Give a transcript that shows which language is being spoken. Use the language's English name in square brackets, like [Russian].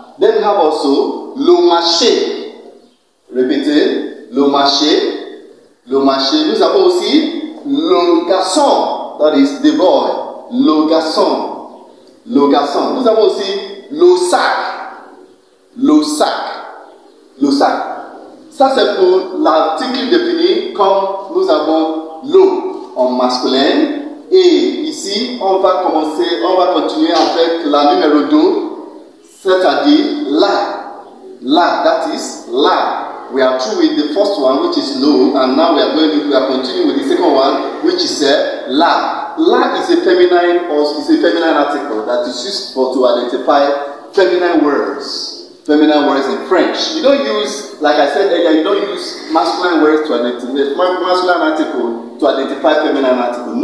[English] Then we have also le marché. [French] Répétez, le marché, le marché. Nous avons aussi le garçon, [English] that is the boy, [French] le garçon, le garçon. Nous avons aussi le sac, le sac, le sac. Ça c'est pour l'article défini comme nous avons le en masculin. Et ici, on va continuer avec la numéro 2, c'est-à-dire la, la, [English] that is [French] la. [English] We are through with the first one, which is le, and now we are continuing with the second one, which is la. La is a feminine article that is used to identify feminine words in French. You don't use, like I said earlier, you don't use masculine words to identify masculine article to identify feminine article.